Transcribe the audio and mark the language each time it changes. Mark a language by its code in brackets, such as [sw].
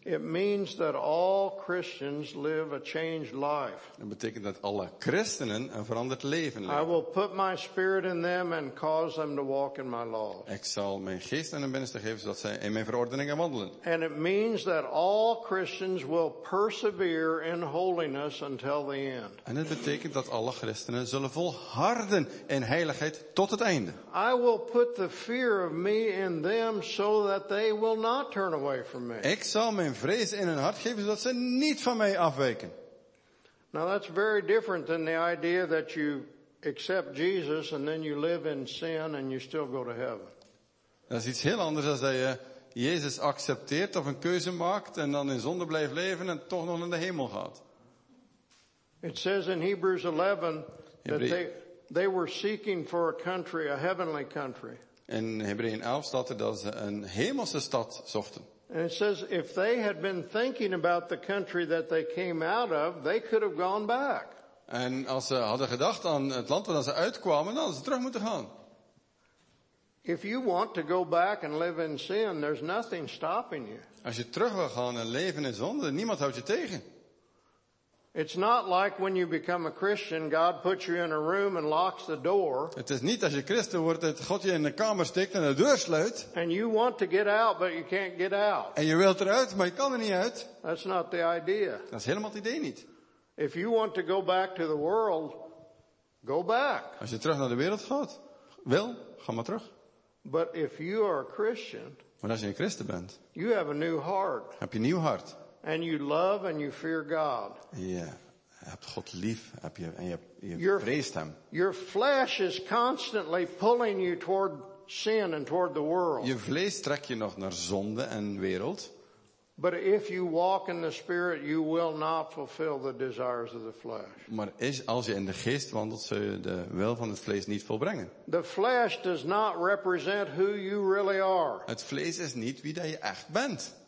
[en] It means that all Christians live a changed life. [nl] Het betekent dat alle christenen een veranderd leven leven. [en] I will put my spirit in them and cause them to walk in my laws. [nl] Ik zal mijn geest in hun binnenste geven zodat zij in mijn verordeningen wandelen. [en] And it means that all Christians will persevere in holiness until the end. [nl] En het betekent dat alle christenen zullen volharden in heiligheid tot het einde. [en] I will put the fear of me in them so that they will not turn away from. [nl] Ik zal mijn vrees in hun hart geven zodat ze niet van mij afwijken. [en] Now that's very different than the idea that you accept Jesus and then you live in sin and you still go to heaven. [nl] Dat is iets heel anders als dat je Jezus accepteert of een keuze maakt en dan in zonde blijft leven en toch nog naar de hemel gaat. [en] It says in Hebrews 11 that they were seeking for a country, a heavenly country. [nl] In Hebreeën 11 staat er dat ze een hemelse stad zochten. [en] And it says if they had been thinking about the country that they came out of, they could have gone back. [nl] En als ze hadden gedacht aan het land waar ze uitkwamen, dan ze terug moeten gaan. [en] If you want to go back and live in sin, there's nothing stopping you. [nl] Als je terug wil gaan en leven in zonde, niemand houdt je tegen. [en] It's not like when you become a Christian, God puts you in a room and locks the door. [nl] Het is niet als je christen wordt dat God je in de kamer steekt en de deur sluit. [en] And you want to get out, but you can't get out. [nl] En je wilt eruit, maar je kan er niet uit. [en] That's not the idea. [nl] Dat is helemaal het idee niet. [en] If you want to go back to the world, go back. [nl] Als je terug naar de wereld gaat, wil, ga maar terug. [en] But if you are a Christian, [nl] maar als je een christen bent, [en] you have a new heart. [nl] Heb je een nieuw hart. [en] And you love and you fear God. [nl] Yeah. Hebt God lief, heb je, en je vreest hem. [en] Your flesh is constantly pulling you toward sin and toward the world. [nl] Je vlees trekt je nog naar zonde en wereld. [en] But if you walk in the spirit, you will not fulfill the desires of the flesh. [nl] Maar als je in de geest wandelt, zul je de wil van het vlees niet volbrengen. [en] The flesh does not represent who you really are. [nl] Het vlees is niet wie dat je echt bent.